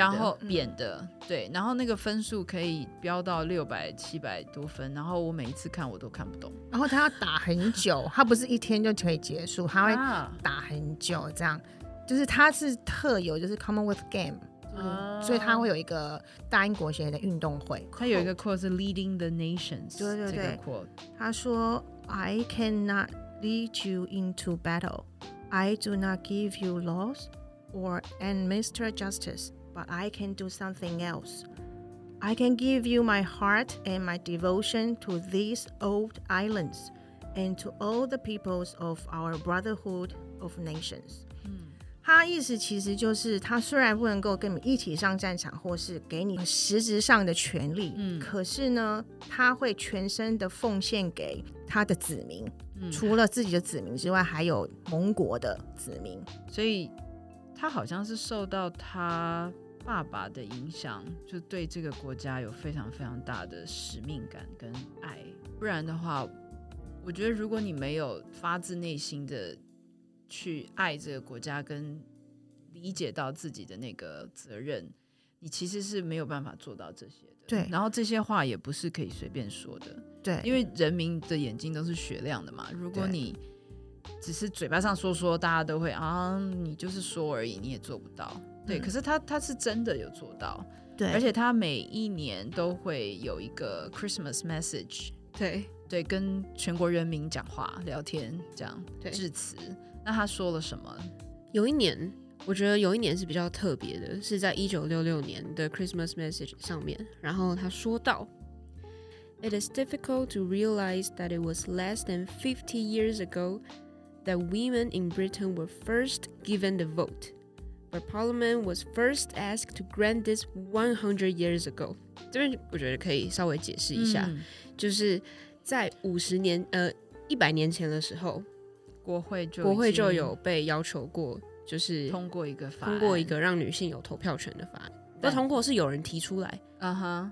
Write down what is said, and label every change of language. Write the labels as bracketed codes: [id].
[zh] 然后扁的，嗯，对，然后那个分数可以飙到600-700多分，然后我每一次看我都看不懂，然后他要打很久他不是一天就可以结束，他会打很久，这样就是他是特有，就是 Commonwealth Game，就是啊，所以他会有一个大英国协的运动会，他有一个 quote 是 [en] Leading the Nations， [zh] 对对对，这个 quote 他说 [en] I cannot lead you into battle， I do not give you laws or administer justiceBut I can do something else. I can give you my heart and my devotion to these old islands and to all the peoples of our brotherhood of nations. [zh] 他意思其实就是他虽然不能够跟你一起上战场或是给你实质上的权利，可是呢他会全身的奉献给他的子民，除了自己的子民之外还有盟国的子民。所以他好像是受到他爸爸的影响，就对这个国家有非常非常大的使命感跟爱，不然的话我觉得如果你没有发自内心的去爱这个国家跟理解到自己的那个责任，你其实是没有办法做到这些的。对，然后这些话也不是可以随便说的。对，因为人民的眼睛都是雪亮的嘛，如果你只是嘴巴上说说，大家都会啊，你就是说而已，你也做不到。对，可是他是真的有做到。对，而且他每一年都会有一个 Christmas message，对对，跟全国人民讲话聊天这样，对，致辞。那他说了什么？有一年，我觉得有一年是比较特别的，是在1966年的 Christmas message 上面，然后他说到 [en] It is difficult to realize that it was less than 50 years ago that women in Britain were first given the voteBut Parliament was first asked to grant this 100 years ago. [zh] 这边我觉得可以稍微解释一下，嗯，就是在100年前的时候，国会就有被要求过，就是通过一个法案，通过一个让女性有投票权的法案。那通过是有人提出来， uh-huh，